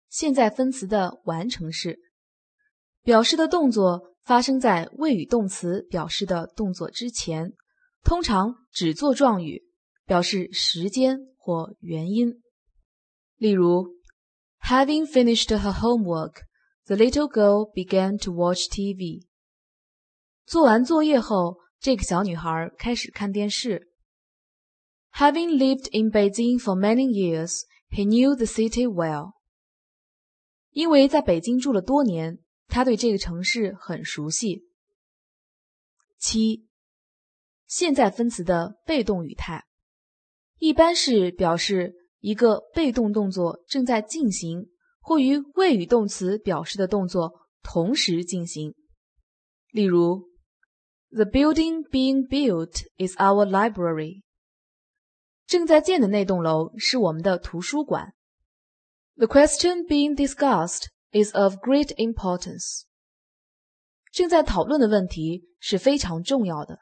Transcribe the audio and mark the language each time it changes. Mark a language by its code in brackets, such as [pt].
[zh] 现在分词的完成式，表示的动作发生在谓语动词表示的动作之前，通常只做状语，表示时间或原因。例如 [en] Having finished her homework, the little girl began to watch TV. [zh] 做完作业后，这个小女孩开始看电视。 [en] Having lived in Beijing for many years, he knew the city well. [zh] 因为在北京住了多年，他对这个城市很熟悉。七，现在分词的被动语态，一般是表示一个被动动作正在进行，或与谓语动词表示的动作同时进行。例如 [en] The building being built is our library. [zh] 正在建的那栋楼是我们的图书馆。 [en] The question being discussed is of great importance. [zh] 正在讨论的问题是非常重要的。